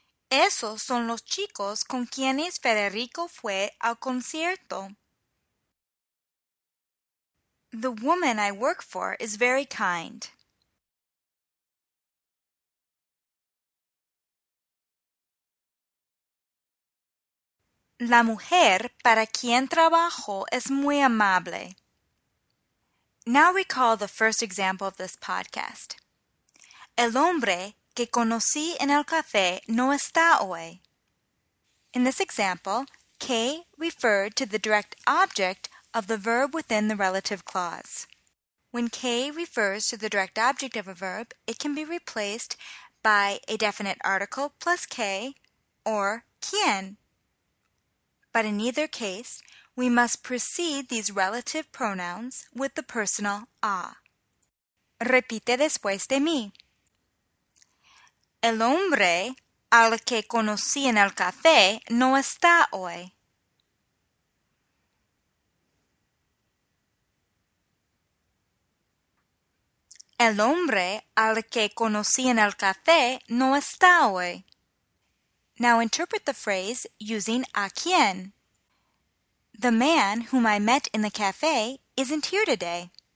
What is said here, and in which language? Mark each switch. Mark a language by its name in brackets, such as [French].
[Spanish] Esos son los chicos con quienes Federico fue al concierto. [English] The woman I work for is very kind. [Spanish] La mujer para quien trabajo es muy amable. [English] Now recall the first example of this podcast. [Spanish] El hombre que conocí en el café no está hoy. [English] In this example, que referred to the direct object of the verb within the relative clause. When que refers to the direct object of a verb, it can be replaced by a definite article plus que or quien. But in either case, we must precede these relative pronouns with the personal a. [Spanish] Repite después de mí. El hombre al que conocí en el café no está hoy. El hombre al que conocí en el café no está hoy. [English] Now interpret the phrase using [Spanish] a quién. [English] The man whom I met in the café isn't here today.